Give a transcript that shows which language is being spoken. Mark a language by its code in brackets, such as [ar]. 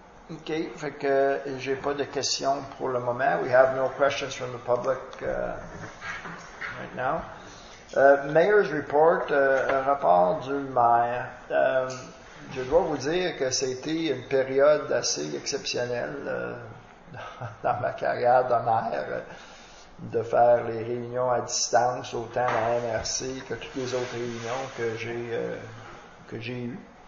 [fr] Ok, fait que j'ai pas de questions pour le moment. [en] We have no questions from the public right now. Mayor's report, [fr] un rapport du maire. Je dois vous dire que c'était une période assez exceptionnelle dans ma carrière de maire, de faire les réunions à distance, autant à MRC que toutes les autres réunions que j'ai eues.